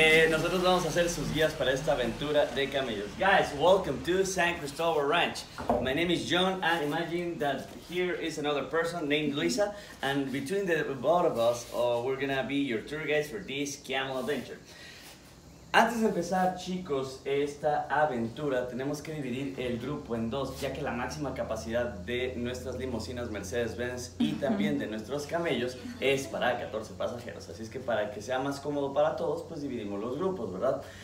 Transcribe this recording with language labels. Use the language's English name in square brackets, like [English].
[Spanish] Nosotros vamos a ser sus guías para esta aventura de camellos. [English] Guys, welcome to San Cristobal Ranch. My name is John, and imagine that here is another person named Luisa, and between the both of us, we're gonna be your tour guides for this camel adventure. [Spanish] Antes de empezar, chicos, esta aventura, tenemos que dividir el grupo en dos, ya que la máxima capacidad de nuestras limusinas Mercedes-Benz y también de nuestros camellos es para 14 pasajeros. Así es que para que sea más cómodo para todos, pues dividimos los grupos, ¿verdad?